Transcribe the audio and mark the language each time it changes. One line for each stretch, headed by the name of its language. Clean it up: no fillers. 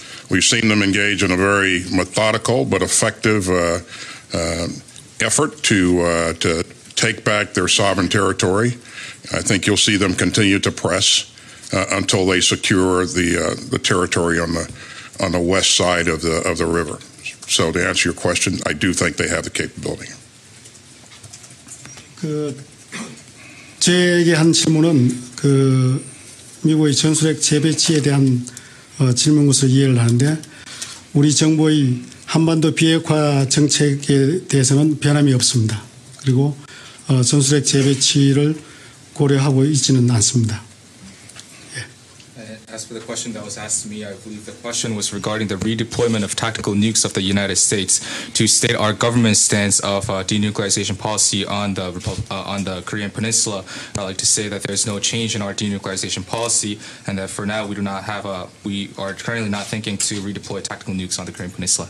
English: We've seen them engage in a very methodical but effective effort to take back their sovereign territory. I think you'll see them continue to press until they secure the territory on the west side of the river. So to answer your question, I do think they have the capability.
Korean: 제게 한 질문은 미국의 전술핵 재배치에 대한 질문 것을 이해를 하는데 우리 정부의 한반도 비핵화 정책에 대해서는 변함이 없습니다. 그리고 전술핵 재배치를 고려하고 있지는 않습니다.
English: As for the question that was asked to me, I believe the question was regarding the redeployment of tactical nukes of the United States. To state our government's stance of denuclearization policy on the Korean Peninsula, I'd like to say that there's no change in our denuclearization policy, and that for now we are currently not thinking to redeploy tactical nukes on the Korean Peninsula.